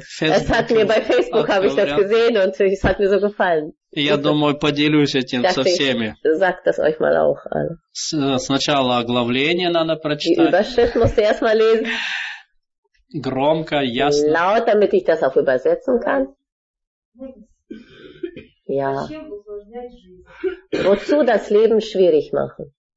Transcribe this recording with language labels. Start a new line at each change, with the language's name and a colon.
German: Facebook. Es hat mir bei Facebook habe ich das gesehen und es hat mir so gefallen.
Russian: Я думаю, поделюсь этим со всеми.
German: Sag das euch mal auch an.
Russian: Сначала оглавление надо прочитать.
German: Die Überschrift musst du erstmal lesen.
Russian: Громко, ясно.
German: Laut, damit ich das auch übersetzen kann. Ja. Wozu das Leben schwierig machen?